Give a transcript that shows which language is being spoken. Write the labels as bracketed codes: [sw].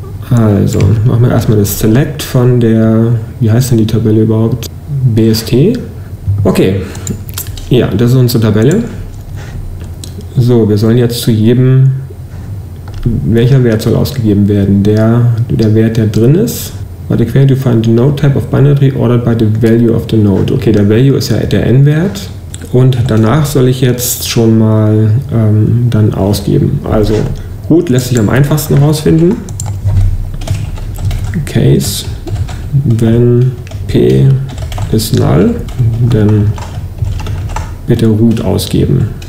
[de] Also, machen wir erstmal das Select von der, wie heißt denn die Tabelle überhaupt? BST. Okay, ja, das ist unsere Tabelle. So, wir sollen jetzt zu jedem, welcher Wert soll ausgegeben werden? Der Wert, der drin ist. [en] By the query, define the node type of binary ordered by the value of the node. [de] Okay, der Value ist ja der N-Wert. Und danach soll ich jetzt schon mal dann ausgeben. Also, Root lässt sich am einfachsten herausfinden. Case, wenn P ist null, dann bitte Root ausgeben.